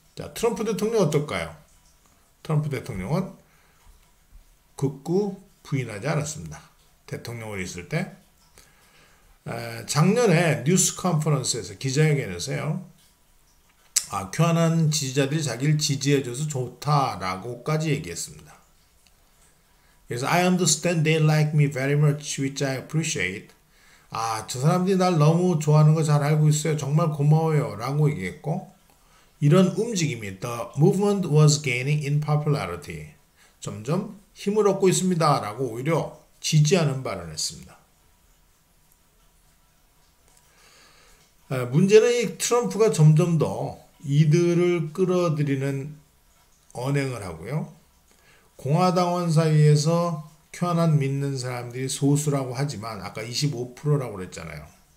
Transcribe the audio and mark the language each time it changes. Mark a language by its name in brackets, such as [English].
[Korean] 자, 트럼프 대통령 어떨까요? 트럼프 대통령은 극구 부인하지 않았습니다. 대통령으로 있을 때 작년에 뉴스 컨퍼런스에서 기자회견에서요, QAnon 지지자들이 자기를 지지해줘서 좋다라고까지 얘기했습니다. 그래서 [English] I understand they like me very much, which I appreciate. [Korean] 아, 저 사람들이 날 너무 좋아하는 거 잘 알고 있어요. 정말 고마워요. 라고 얘기했고, 이런 움직임이 [English] The movement was gaining in popularity. [Korean] 점점 힘을 얻고 있습니다. 라고 오히려 지지하는 발언을 했습니다. 문제는 이 트럼프가 점점 더 이들을 끌어들이는 언행을 하고요, 공화당원 사이에서 QAnon 믿는 사람들이 소수라고 하지만, 아까 25%라고 그랬잖아요.